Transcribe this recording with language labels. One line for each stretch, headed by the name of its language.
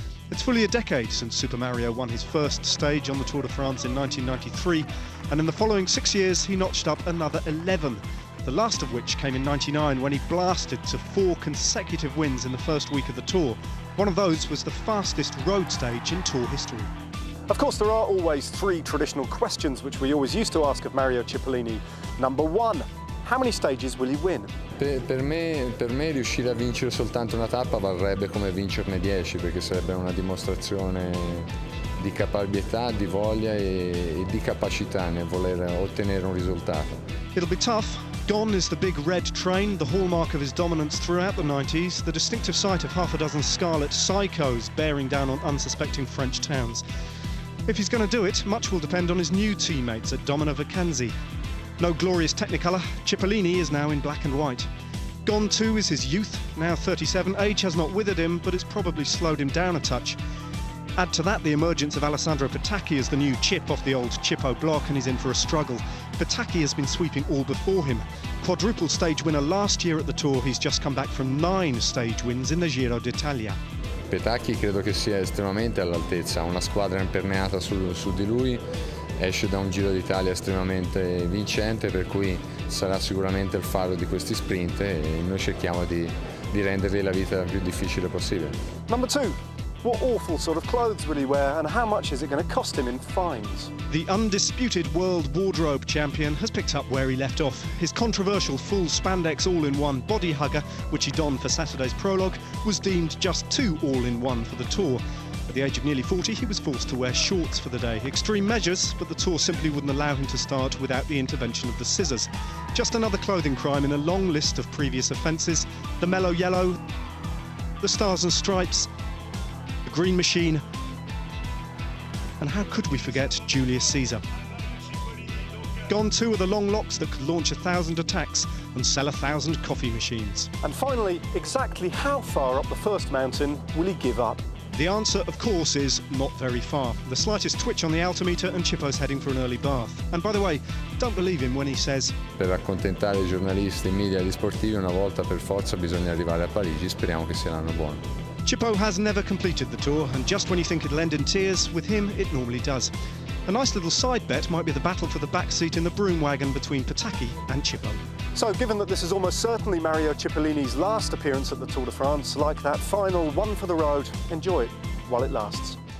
English: It's fully a decade since Super Mario won his first stage on the Tour de France in 1993, and in the following 6 years, he notched up another 11, the last of which came in 99 when he blasted to four consecutive wins in the first week of the Tour. One of those was the fastest road stage in Tour history. Of course, there are always three traditional questions which we always used to ask of Mario Cipollini. Number one, how many stages will he win?
Italian: Per me riuscire a vincere soltanto una tappa varrebbe come vincerne 10, perché sarebbe una dimostrazione di caparbietà, di voglia e di capacità nel voler ottenere un risultato.
English: It'll be tough. Gone is the big red train, the hallmark of his dominance throughout the 90s, the distinctive sight of half a dozen scarlet psychos bearing down on unsuspecting French towns. If he's going to do it, much will depend on his new teammates at Domino Vacanzi. No glorious technicolour, Cipollini is now in black and white. Gone too is his youth, now 37. Age has not withered him, but it's probably slowed him down a touch. Add to that the emergence of Alessandro Petacchi as the new chip off the old Chippo block, and he's in for a struggle. Petacchi has been sweeping all before him. Quadruple stage winner last year at the Tour, he's just come back from 9 stage wins in the Giro d'Italia.
Italian: Petacchi credo che sia estremamente all'altezza, una squadra imperniata su di lui. Esce da un Giro d'Italia estremamente vincente, per cui sarà sicuramente il faro di questi sprint e noi cerchiamo di rendergli la vita più difficile possibile.
English: Number two, what awful sort of clothes will he wear and how much is it going to cost him in fines? The undisputed world wardrobe champion has picked up where he left off. His controversial full spandex all-in-one body hugger, which he donned for Saturday's prologue, was deemed just too all-in-one for the Tour. At the age of nearly 40, he was forced to wear shorts for the day. Extreme measures, but the Tour simply wouldn't allow him to start without the intervention of the scissors. Just another clothing crime in a long list of previous offences. The mellow yellow, the stars and stripes, the green machine, and how could we forget Julius Caesar? Gone too are the long locks that could launch 1,000 attacks and sell 1,000 coffee machines. And finally, exactly how far up the first mountain will he give up? The answer, of course, is not very far. The slightest twitch on the altimeter and Cipo's heading for an early bath. And by the way, don't believe him when he says...
Italian: Per accontentare i giornalisti, i media, gli sportivi, una volta per forza bisogna arrivare a Parigi. Speriamo che sia l'anno buono.
English: Cipo has never completed the Tour, and just when you think it'll end in tears, with him it normally does. A nice little side bet might be the battle for the back seat in the broom wagon between Petacchi and Cipo. So, given that this is almost certainly Mario Cipollini's last appearance at the Tour de France, like that final one for the road, enjoy it while it lasts.